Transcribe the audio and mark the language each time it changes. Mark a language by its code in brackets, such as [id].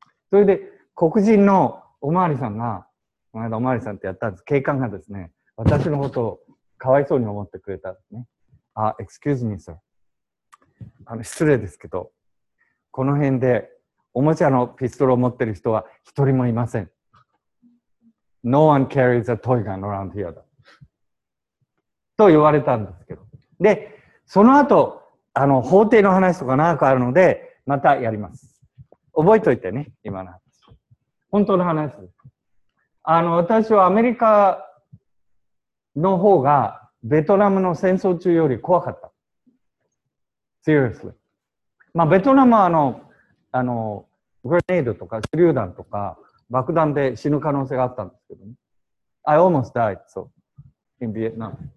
[ja] それで、黒人のおまわりさんが、この間おまわりさんってやったんです。警官がですね、私のことをかわいそうに思ってくれたんですね。 [en] あ、excuse me, sir. [ja] 失礼ですけど、この辺でおもちゃのピストルを持ってる人は一人もいません。 [en] No one carries a toy gun around here. [ja] だと言われたんですけど。で、その後、法廷の話とか長くあるので、またやります。覚えておいてね、今の話。本当の話です。私はアメリカの方がベトナムの戦争中より怖かった。 [en] Seriously. [ja] まあ、ベトナムはグレネードとか手榴弾とか爆弾で死ぬ可能性があったんですけどね。 [en] I almost died, so, in Vietnam.